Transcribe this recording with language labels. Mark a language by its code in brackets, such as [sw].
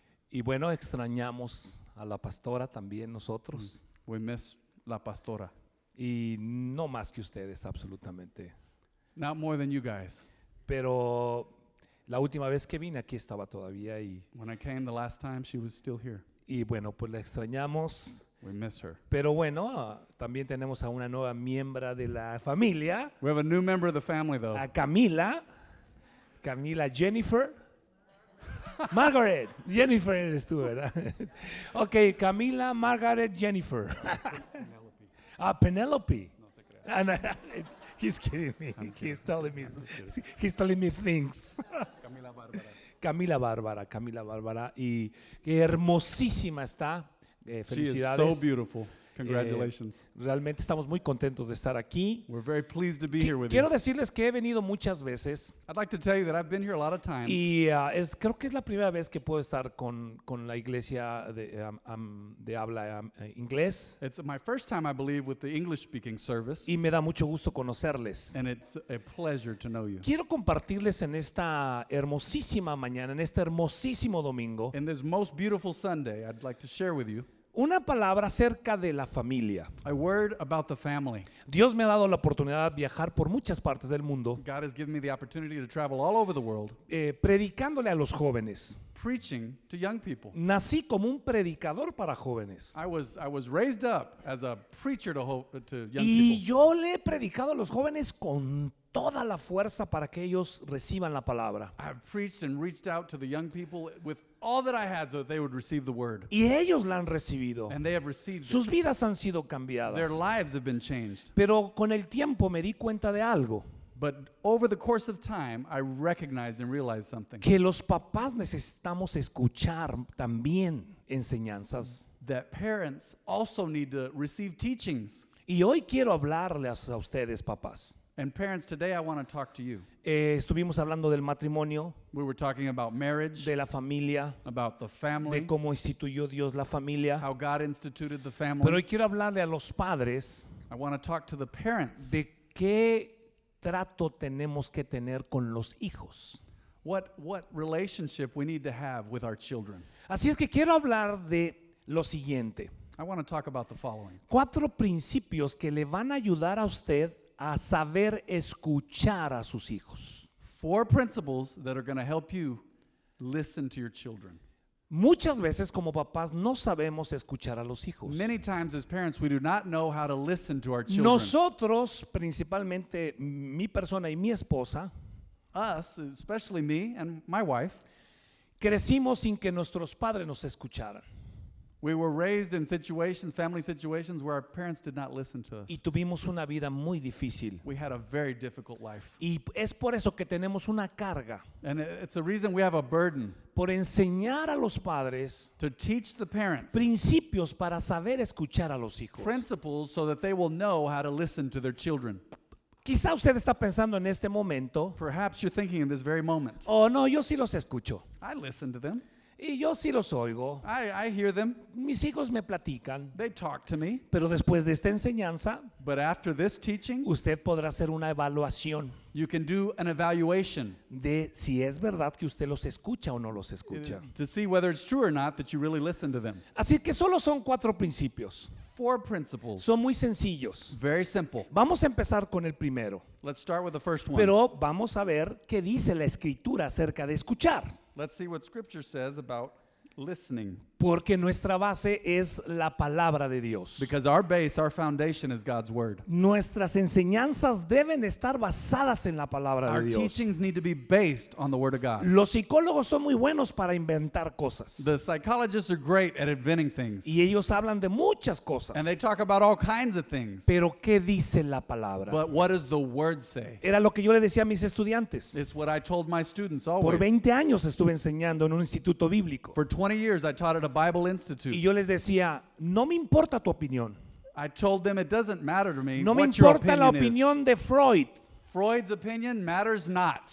[es] Y bueno, extrañamos a la pastora también nosotros. [en] We miss la pastora. [es] Y no más que ustedes, absolutamente. [en] Not more than you guys. [es] Pero la última vez que vine aquí estaba todavía y [en] when I came the last time she was still here. [es] Y bueno, pues la extrañamos. [en] We miss her. [es] Pero bueno, también tenemos a una nueva miembro de la familia. [en] We have a new member of the family though. [es] A Camila. Camila Jennifer. Margaret. Jennifer eres tú, ¿verdad? [en] Okay, Camila, Margaret, Jennifer. Penelope. [es] No se crea. [en] He's kidding me. He's telling me things. [es] Camila Bárbara. Camila Bárbara. Camila Bárbara. Y qué hermosísima está. Felicidades. [en] She is so beautiful. Congratulations. [es] Realmente estamos muy contentos de estar aquí. [en] We're very pleased to be here with [es] quiero [en] you. [es] Quiero decirles que he venido muchas veces. [en] I'd like to tell you that I've been here a lot of times. [es] Y creo que es la primera vez que puedo estar con la iglesia de habla inglés. [en] It's my first time, I believe, with the English-speaking service. [es] Y me da mucho gusto conocerles. [en] And it's a pleasure to know you. [es] Quiero compartirles en esta hermosísima mañana, en este hermosísimo domingo. [en] In this most beautiful Sunday, I'd like to share with you. [es] Una palabra acerca de la familia. [en] A word about the family. [es] Dios me ha dado la oportunidad de viajar por muchas partes del mundo. [en] God has given me the opportunity to travel all over the world. [es] Predicándole a los jóvenes. [en] Preaching to young people. [es] Nací como un predicador para jóvenes. [en] I was raised up as a preacher to young people. [es] Y yo le he predicado a los jóvenes con toda la fuerza para que ellos reciban la palabra. [en] I've preached and reached out to the young people with all that I had so that they would receive the word. [es] Y ellos la han recibido. [en] And they have received it. [es] Sus vidas han sido cambiadas. [en] Their lives have been changed. [es] Pero con el tiempo me di cuenta de algo. [en] But over the course of time, I recognized and realized something. [es] Que los papás necesitamos escuchar también enseñanzas. [en] That parents also need to receive teachings. [es] Y hoy quiero hablarles a ustedes, papás. [en] And parents, today I want to talk to you. [es] Estuvimos hablando del matrimonio. [en] We were talking about marriage. [es] De la familia. [en] About the family. [es] De cómo instituyó Dios la familia. [en] How God instituted the family. [es] Pero hoy quiero hablarle a los padres. [en] I want to talk to the parents. [es] De qué trato tenemos que tener con los hijos. [en] What relationship we need to have with our children. [es] Así es que quiero hablar de lo siguiente. [en] I want to talk about the following. [es] Cuatro principios que le van a ayudar a usted a saber escuchar a sus hijos. [en] Four principles that are going to help you listen to your children. [es] Muchas veces como papás no sabemos escuchar a los hijos. [en] Many times as parents we do not know how to listen to our children. [es] Nosotros, principalmente mi persona y mi esposa, [en] us, especially me and my wife, [es] crecimos sin que nuestros padres nos escucharan. [en] We were raised in situations, family situations, where our parents did not listen to us. [es] Y tuvimos una vida muy difícil. [en] We had a very difficult life. [es] Y es por eso que tenemos una carga. [en] And it's a reason we have a burden. [es] Por enseñar a los padres. [en] To teach the parents. [es] Principios para saber escuchar a los hijos. [en] Principles so that they will know how to listen to their children. [es] Quizá usted está pensando en este momento. [en] Perhaps you're thinking in this very moment. [es] Oh no, yo sí los escucho. [en] I listen to them. [es] Y yo sí los oigo. [en] I hear them. [es] Mis hijos me platican. [en] They talk to me. [es] Pero después de esta enseñanza, [en] but after this teaching, [es] usted podrá hacer una evaluación. [en] You can do an evaluation. [es] De si es verdad que usted los escucha o no los escucha. [en] To see whether it's true or not that you really listen to them. [es] Así que solo son cuatro principios. [en] Four principles. [es] Son muy sencillos. [en] Very simple. [es] Vamos a empezar con el primero. [en] Let's start with the first one. [es] Pero vamos a ver qué dice la escritura acerca de escuchar. [en] Let's see what Scripture says about listening. [es] Porque nuestra base es la palabra de Dios. [en] Because our base, our foundation is God's Word. [es] Nuestras enseñanzas deben estar basadas en la palabra [en] our [es] de Dios. [en] Our teachings need to be based on the Word of God. [es] Los psicólogos son muy buenos para inventar cosas. [en] The psychologists are great at inventing things. [es] Y ellos hablan de muchas cosas. [en] And they talk about all kinds of things. [es] Pero ¿qué dice la palabra? [en] But what does the Word say? [es] Era lo que yo le decía a mis estudiantes. [en] It's what I told my students always. [es] Por 20 años estuve enseñando en un instituto bíblico. [en] For 20 years I taught a Bible Institute. [es] Y yo les decía, no me importa tu opinión. [en] I told them it doesn't matter to me. [es] No [en] what [es] me importa [en] your opinion [es] la opinión [en] is. [es] De Freud. [en] Freud's opinion matters not.